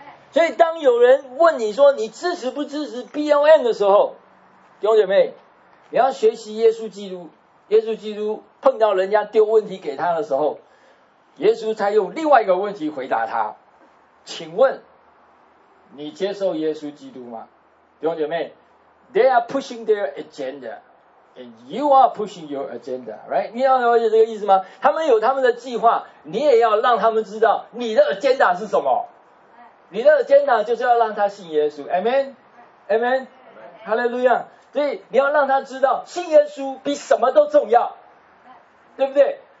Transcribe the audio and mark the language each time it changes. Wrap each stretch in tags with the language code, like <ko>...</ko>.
<zh>所以当有人问你说你支持不支持 BLM 的时候，弟兄姐妹，你要学习耶稣基督。耶稣基督碰到人家丢问题给他的时候，耶稣才用另外一个问题回答他，请问你接受耶稣基督吗？弟兄姐妹，</zh> <en>They are pushing their agenda and you are pushing your agenda， right？</en> <zh>你要了解这个意思吗？他们有他们的计划，你也要让他们知道你的 agenda 是什么。你的 agenda 就是要让他信耶稣。Amen， Amen， Hallelujah。所以你要让他知道信耶稣比什么都重要，对不对？</zh>